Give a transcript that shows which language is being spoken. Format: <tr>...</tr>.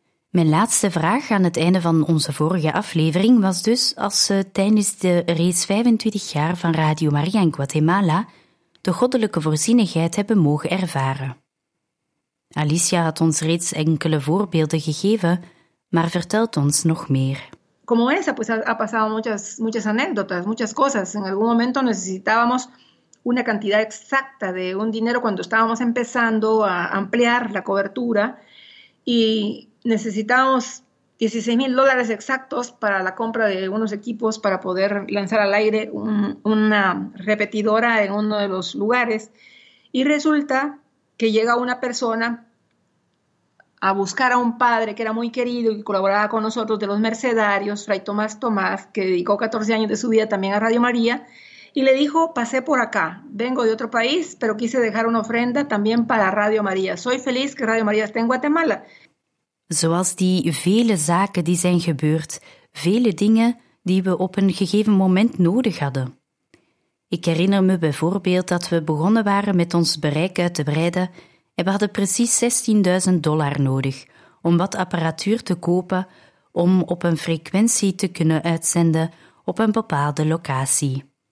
<nl>Mijn laatste vraag aan het einde van onze vorige aflevering was dus als ze tijdens de reeds 25 jaar van Radio Maria in Guatemala de goddelijke voorzienigheid hebben mogen ervaren. Alicia had ons reeds enkele voorbeelden gegeven, maar vertelt ons nog meer.</nl> <es>Como esa, pues ha pasado muchas anécdotas, muchas cosas. En algún momento necesitábamos una cantidad exacta de un dinero cuando estábamos empezando a ampliar la cobertura y necesitábamos $16,000 exactos para la compra de unos equipos para poder lanzar al aire una repetidora en uno de los lugares. Y resulta que llega una persona a buscar a un padre que era muy querido y colaboraba con nosotros de los mercedarios, Fray Tomás Tomás, que dedicó 14 años de su vida también a Radio María, y le dijo, pasé por acá, vengo de otro país, pero quise dejar una ofrenda también para Radio María. Soy feliz que Radio María esté en Guatemala.</es> <nl>Zoals die vele zaken die zijn gebeurd, vele dingen die we op een gegeven moment nodig hadden. Ik herinner me bijvoorbeeld dat we begonnen waren met ons bereik uit te breiden en we hadden precies $16,000 nodig om wat apparatuur te kopen om op een frequentie te kunnen uitzenden op een bepaalde locatie.</nl>